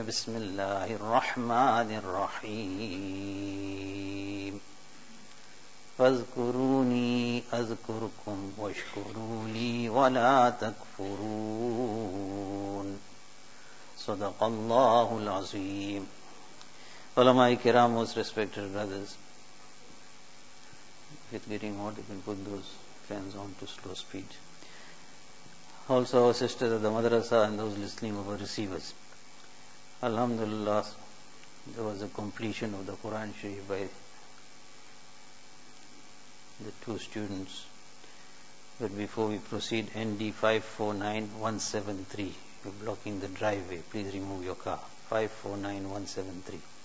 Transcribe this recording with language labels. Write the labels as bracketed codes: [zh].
[ar] بسم الله الرحمن الرحيم. فاذكروني أذكركم، واشكروني ولا تكفرون. صدق اللہ العظیم. علماء کرام، [en] Most respected brothers, with getting hot you can put those fans on to slow speed, also our sisters of the مدرسہ and those listening over receivers, الحمد للہ there was a completion of the Quran Sharif by the two students. But before we proceed, ND549173, you're blocking the driveway, please remove your car. 549173.